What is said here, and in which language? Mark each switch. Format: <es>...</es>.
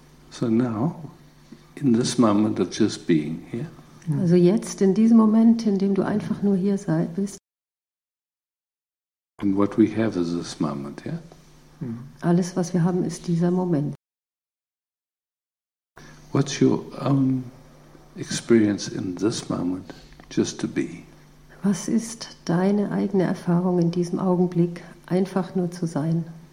<en>So now, in this moment of just being here.</en> <de>Also jetzt, in diesem Moment, in dem du einfach nur hier bist.</de> <en>And what we have is this moment, yeah?</en> <de>Alles, was wir haben, ist dieser Moment.</de> <en>What's your own experience in this moment, just to be?</en> <de>Was ist deine eigene Erfahrung in diesem Augenblick, einfach nur zu sein?</de>